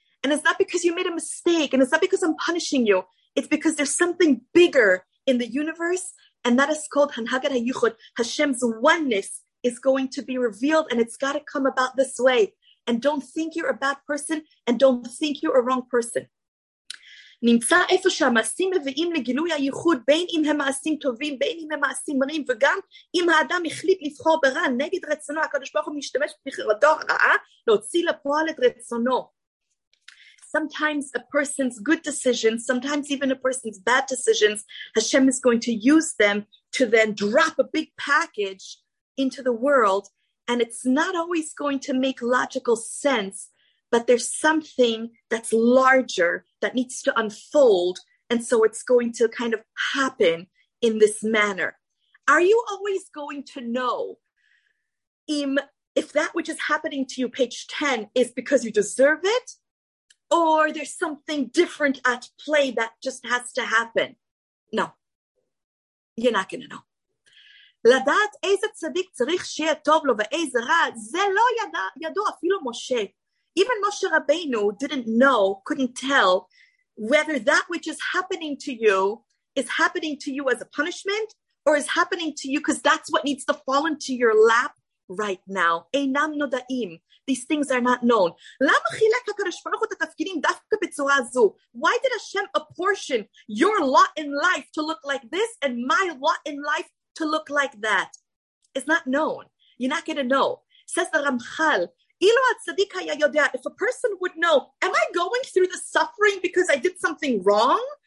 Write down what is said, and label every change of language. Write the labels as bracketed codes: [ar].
[en] And it's not because you made a mistake. And it's not because I'm punishing you. It's because there's something bigger in the universe. And that is called Hanhagar HaYichud. Hashem's oneness is going to be revealed. And it's got to come about this way. And don't think you're a bad person. And don't think you're a wrong person. [he] נמצא איפה שהמעשים מביאים לגילוי הייחוד, בין אם הם מעשים טובים, בין אם הם מעשים מרים, וגם אם האדם החליט לבחור ברע נגד רצונו, הקדוש ברוך הוא משתמש בחירתו הרעה להוציא לפועל את רצונו. [en] Sometimes a person's good decisions, sometimes even a person's bad decisions, Hashem is going to use them to then drop a big package into the world, and it's not always going to make logical sense, but there's something that's larger that needs to unfold. And so it's going to kind of happen in this manner. Are you always going to know if that which is happening to you, page 10, is because you deserve it, or there's something different at play that just has to happen? No, you're not going to know. [he] לדעת איזה צדיק צריך שיהיה טוב לו ואיזה רע, זה לא ידוע אפילו משה. [en] Even Moshe Rabbeinu didn't know, couldn't tell, whether that which is happening to you is happening to you as a punishment or is happening to you because that's what needs to fall into your lap right now. [he] אינם נודעים. [en] These things are not known. [he] למה חילק הקדוש ברוך הוא את התפקידים דווקא בצורה זו? [en] Why did Hashem apportion your lot in life to look like this and my lot in life to look like that? It's not known. You're not going to know. Says the Ramchal, [he] Ilo Atzadik Haya Yodea, [en] if a person would know, am I going through the suffering because I did something wrong?